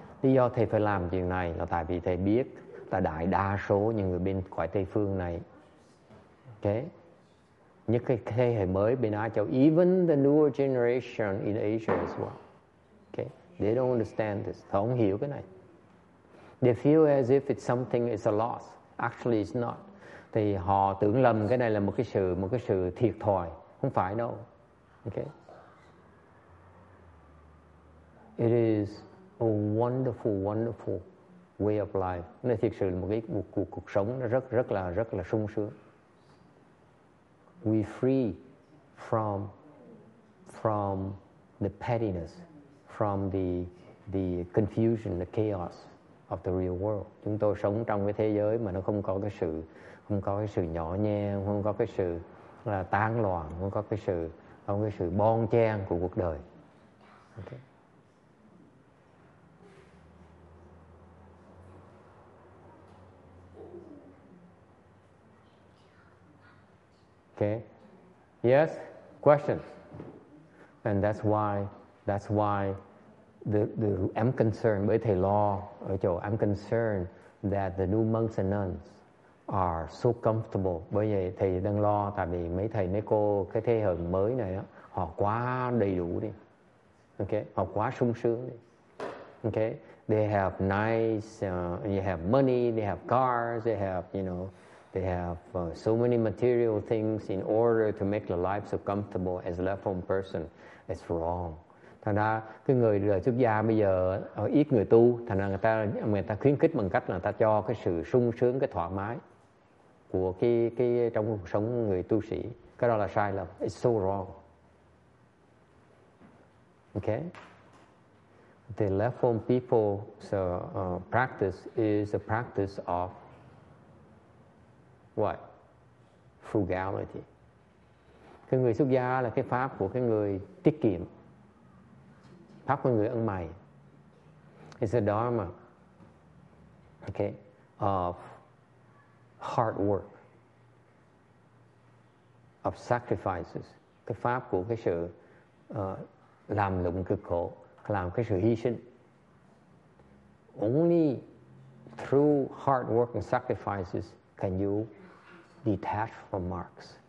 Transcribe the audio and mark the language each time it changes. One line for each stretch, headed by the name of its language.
Vietnamese: Lý do thầy phải làm chuyện này là tại vì thầy biết là đại đa số những người bên cõi Tây Phương này, okay, những cái thế hệ mới bên Á Châu,
English: even the newer generation in Asia as well, okay, they don't understand this.
Vietnamese: Thầy không hiểu cái này.
English: They feel as if it's something, it's a loss. Actually, it's not.
Vietnamese: Thì họ tưởng lầm cái này là một cái sự thiệt thòi. Không phải đâu. Okay.
English: It is a wonderful, wonderful way of life.
Vietnamese: Nó thực sự là một cuộc sống nó rất là sung sướng.
English: We free from the pettiness, from the confusion, the chaos of the real world.
Vietnamese: Chúng tôi sống trong cái thế giới mà nó không có cái sự nhỏ nhen, không có cái sự là tán loạn, không có cái sự bon chen của cuộc đời.
English: Okay. Okay. Yes. Questions. And that's why the I'm concerned.
Vietnamese: Bởi thầy lo ở chỗ
English: I'm concerned that the new monks and nuns are so comfortable.
Vietnamese: Bởi vậy thầy đang lo tại vì mấy thầy mấy cô cái thế hệ mới này á, họ quá đầy đủ đi.
English: Okay.
Vietnamese: Họ quá sung sướng đi.
English: Okay. They have nice. They have money. They have cars. They have, you know. They have so many material things in order to make their life so comfortable as a left home person. It's wrong.
Vietnamese: Thành ra, cái người đời xuất gia bây giờ ít người tu, thành ra người ta khuyến khích bằng cách là ta cho cái sự sung sướng, cái thoải mái của cái trong cuộc sống người tu sĩ. Cái đó là sai lầm.
English: It's so wrong. Okay? The left home people's practice is a practice of what? Frugality.
Vietnamese: Cái người xuất gia là cái pháp của cái người tiết kiệm, pháp của người ăn mày.
English: It's a dharma, okay, of hard work, of sacrifices.
Vietnamese: Cái pháp của cái sự làm lụng cực khổ, làm cái sự hy sinh.
English: Only through hard work and sacrifices can you detached from marks.